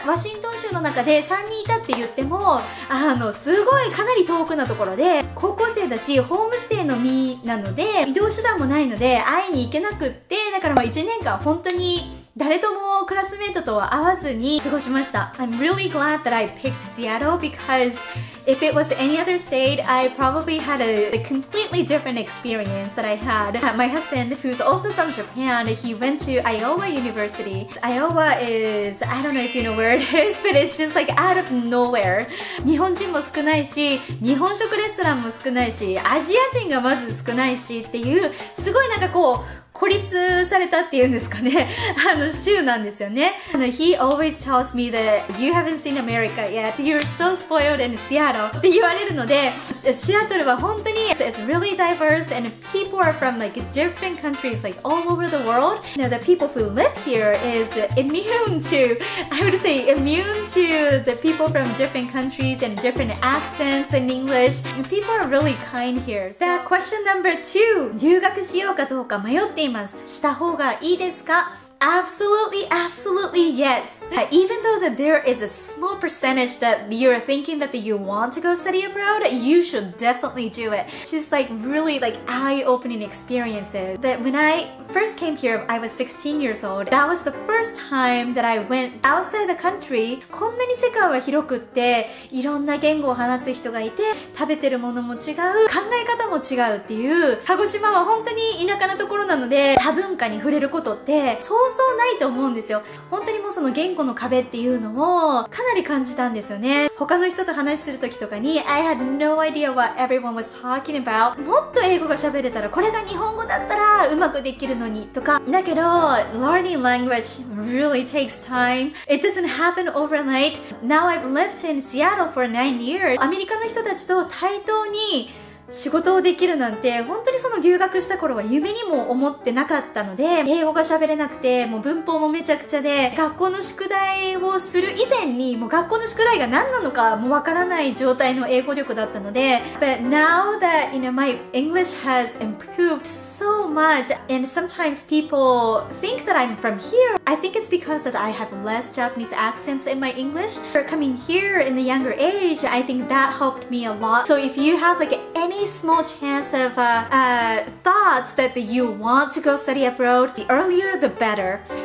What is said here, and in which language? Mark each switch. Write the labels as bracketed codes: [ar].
[ja] ワシントン州の中で3人いたって言っても、すごいかなり遠くなところで、高校生だし、ホームステイの身なので、移動手段もないので、会いに行けなくって、だから1年間本当に誰ともクラスメートとは会わずに過ごしました。 [en] I'm really glad that I picked Seattle because if it was any other state, I probably had a completely different experience that I had. My husband, who's also from Japan, he went to Iowa University. Iowa is, I don't know if you know where it is, but it's just like out of nowhere. [ja] 日本人も少ないし、日本食レストランも少ないし、アジア人がまず少ないしっていう、すごいなんかこう、孤立されたっていうんですかね。州なんですよね。 [en] He always tells me that you haven't seen America yet. You're so spoiled in Seattle. [ja] って言われるので、シアトルは本当に、 [en] it's really diverse and people are from like different countries like all over the world. You know, the people who live here is immune to, I would say immune to the people from different countries and different accents in English. And people are really kind here. So, question number two. [ja] 留学しようかどうか迷っています。した方がいいですか？ [en] Absolutely, absolutely yes. Even though that there is a small percentage that you're thinking that you want to go study abroad, you should definitely do it. It's just like really like eye-opening experiences. That when I first came here, I was 16 years old. That was the first time that I went outside the country. [ja] こんなに世界は広くって、いろんな言語を話す人がいて、食べてるものも違う、考え方も違うっていう、鹿児島は本当に田舎なところなので、多文化に触れることって、そうそうないと思うんですよ。本当にもうその言語の壁っていうのをかなり感じたんですよね。他の人と話する時とかに [en] I had no idea what everyone was talking about. [ja] もっと英語が喋れたらこれが日本語だったらうまくできるのにとか。 [en] だけど Learning language really takes time. It doesn't happen overnight. Now I've lived in Seattle for 9 years. [ja] アメリカの人たちと対等に仕事をできるなんて、本当にその留学した頃は夢にも思ってなかったので、英語が喋れなくて、もう文法もめちゃくちゃで、学校の宿題をする以前に、もう学校の宿題が何なのかもうわからない状態の英語力だったので、 [en] But now that, you know, my English has improved so much, and sometimes people think that I'm from here, I think it's because that I have less Japanese accents in my English. For coming here in the younger age, I think that helped me a lot. So if you have like any small chance of thoughts that you want to go study abroad, the earlier the better.